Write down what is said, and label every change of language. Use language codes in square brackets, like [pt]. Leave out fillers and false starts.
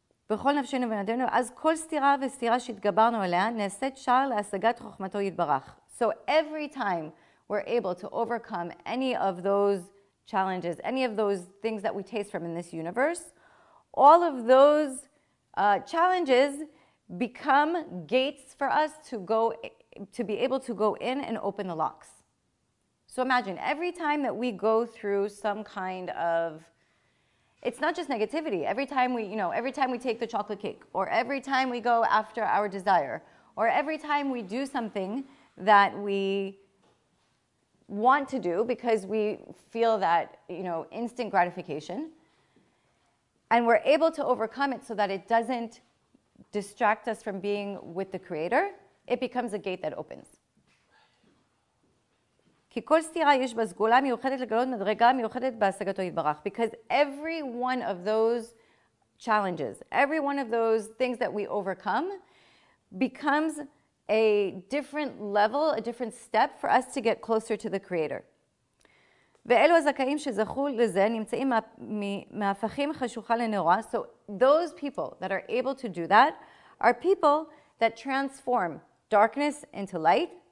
[he] בכל נפשנו ונדנו, אז כל סתירה וסתירה שהתגברנו עליה נעשית שער להשגת חוכמתו יתברך. [en] So every time we're able to overcome any of those challenges, any of those things that we taste from in this universe, all of those challenges become gates for us to be able to go in and open the locks. So imagine every time that we go through some kind of, it's not just negativity, every time we take the chocolate cake, or every time we go after our desire, or every time we do something that we want to do because we feel that, you know, instant gratification, and we're able to overcome it so that it doesn't distract us from being with the creator, it becomes a gate that opens. [he] כי כל סתירה יש בה סגולה מיוחדת לגלות מדרגה מיוחדת בהשגתו יתברך. [en] Because every one of those challenges, every one of those things that we overcome, becomes a different level, a different step for us to get closer to the creator. [he] ואלו הזכאים שזכו לזה נמצאים מהפכים חשוכה לנאורה. [en] So those people that are able to do that are people that transform darkness into light.